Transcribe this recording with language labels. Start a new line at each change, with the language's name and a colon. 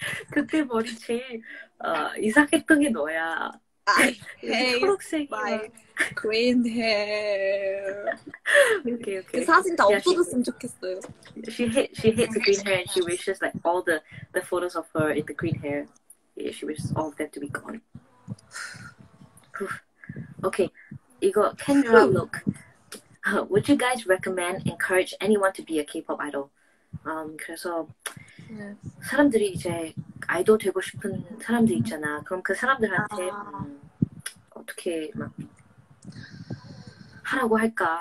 Korean: 그때 머리 제일 이상했던 게 너야.
English: I hate my green hair. Okay, okay.
Korean: 그 사진 다 없어졌으면 좋겠어요.
English: She hates the green hair and she wishes like all the photos of her in the green hair. Yeah, she wishes all of them to be gone. Okay,
Korean: 이거
English: Kendra look. Would you guys recommend encourage anyone to be a K-pop idol?
Korean: 그래서 사람들이 이제 아이돌 되고 싶은 사람들 있잖아. 그럼 그 사람들한테 어떻게 막 하라고 할까?